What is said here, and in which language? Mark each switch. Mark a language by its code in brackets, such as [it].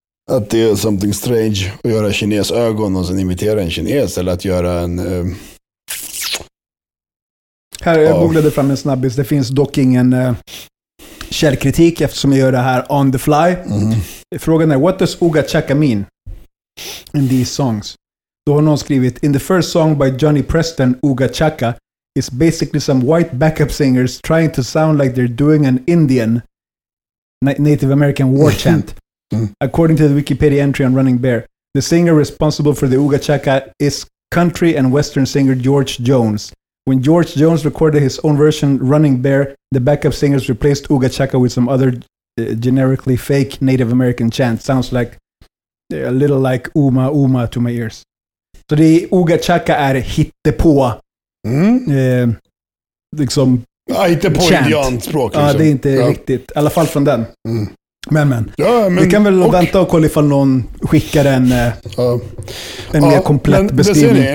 [sv] Att det är [en] something strange [sv] att göra kines ögon och sen imitera en kines, eller att göra en... Här, jag googlade fram en snabbis. Det finns dock ingen källkritik eftersom jag gör det här [en] on the fly. Mm-hmm. [sv] Frågan är, [en] what does Uga Chaka mean in these songs? [sv] Då har någon skrivit, [en] in the first song by Johnny Preston, Uga Chaka is basically some white backup singers trying to sound like they're doing an Indian Native American war chant. According to the Wikipedia entry on Running Bear, the singer responsible for the Uga Chaka is country and western singer George Jones. When George Jones recorded his own version, Running Bear, the backup singers replaced Uga Chaka with some other generically fake Native American chant. Sounds like a little like Uma Uma to my ears. So the [sv] Uga Chaka är hittepå. Liksom hittepå indianspråk. Ja, det är inte riktigt. I alla fall från den. Men vi kan väl vänta och kolla ifall någon skickar en mer komplett beskrivning.